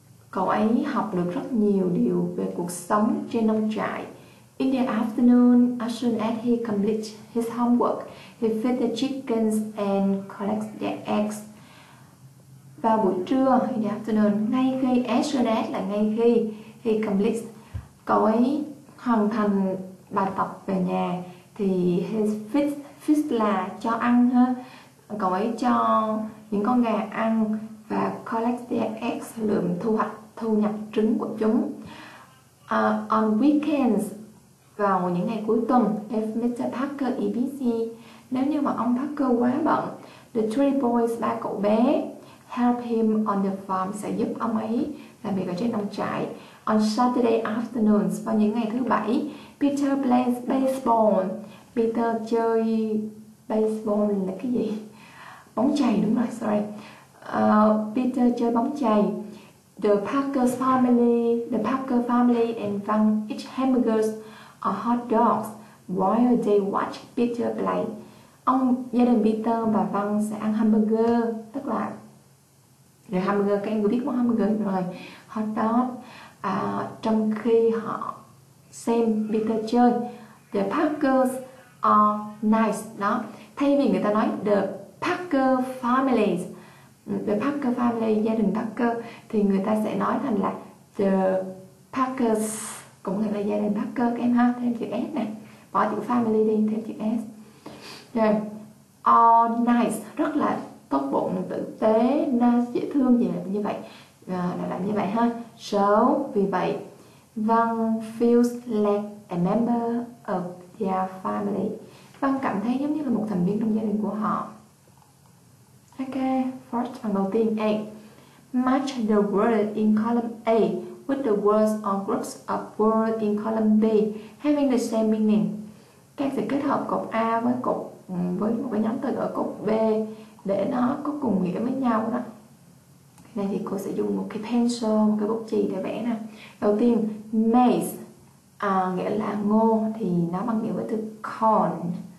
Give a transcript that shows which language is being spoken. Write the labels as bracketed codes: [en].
[vi] Cậu ấy học được rất nhiều điều về cuộc sống trên nông trại. [en] In the afternoon, as soon as he completes his homework, he feeds the chickens and collects their eggs. [vi] Vào buổi trưa, [en] in the afternoon, [vi] ngay khi, [en] as soon as [vi] là ngay khi, [en] he completes, [vi] cậu ấy hoàn thành bài tập về nhà, thì [en] he feeds [vi] là cho ăn ha. Cậu ấy cho những con gà ăn và [en] collects their eggs, [vi] lượm thu hoạch, thu nhập trứng của chúng. [en] On weekends, [vi] vào những ngày cuối tuần, [en] if Mr. Parker is busy, [vi] nếu như mà ông Parker quá bận, [en] the three boys, [vi] ba cậu bé, [en] help him on the farm, [vi] sẽ giúp ông ấy làm việc ở trên nông trại. [en] On Saturday afternoons, [vi] vào những ngày thứ bảy, [en] Peter plays baseball. [vi] Peter chơi baseball là cái gì? Bóng chày, đúng rồi, [en] sorry. [vi] Peter chơi bóng chày. [en] The Parker family and Van eat hamburgers or hot dogs while they watch Peter play. [vi] Ông, gia đình Peter và Van sẽ ăn hamburger, tức là rồi hamburger, các em có biết món hamburger rồi, hot dog, trong khi họ xem Peter chơi. [en] The Parkers are nice, [vi] đó. Thay vì người ta nói [en] the Parker family, [vi] gia đình Parker, thì người ta sẽ nói thành là [en] the Parkers, [vi] cũng là gia đình Parker các em ha, thêm chữ S này, bỏ chữ family đi, thêm chữ S. Rồi, Nice, rất là tốt bụng, tử tế, nice, dễ thương gì làm như vậy. Đã làm như vậy ha. [en] So, [vi] vì vậy, [en] Văn feels like a member of their family. [vi] Văn cảm thấy giống như là một thành viên trong gia đình của họ. [en] Ok, first, [vi] phần đầu tiên, A. [en] Match the word in column A with the words or groups of words in column B, having the same meaning. [vi] Các sự kết hợp cột A với một cái nhóm từ ở cột B để nó có cùng nghĩa với nhau đó. Này thì cô sẽ dùng một cái pencil, một cái bút chì để vẽ nè. Đầu tiên, maize nghĩa là ngô thì nó bằng nghĩa với từ corn.